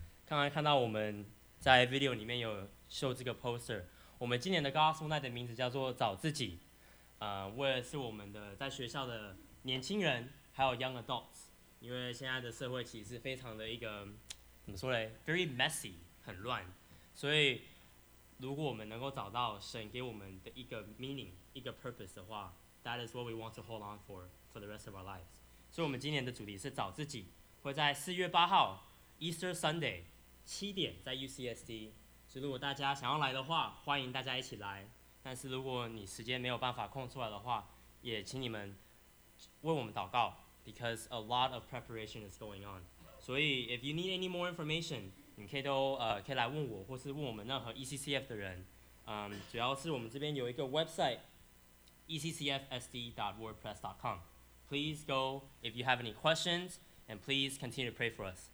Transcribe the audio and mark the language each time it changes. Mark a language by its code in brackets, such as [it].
[zh] 刚刚看到我们在 video 里面有秀这个 poster。我们今年的 Gospel Night 的名字叫做“找自己”，为了是我们的在学校的年轻人，还有 Young Adults。因为现在的社会其实是非常的一个怎么说嘞 ， [en] very messy， [zh] 很乱，所以。如果我们能够找到神给我们的一个 [en] meaning， 一个 purpose 的话 ，that is what we want to hold on for the rest of our lives。 [zh] 所以，我们今年的主题是找自己，会在4月8号 Easter Sunday 7点在 UCSD。所以，如果大家想要来的话，欢迎大家一起来。但是，如果你时间没有办法空出来的话，也请你们为我们祷告 ， [en] because a lot of preparation is going on。所以 ，if you need any more information。 [zh] 你可以都可以来问我，或是问我们任何 ECCF 的人。主要是我们这边有一个 website ECCFSD.wordpress.com。 [en] Please go if you have any questions, and please continue to pray for us.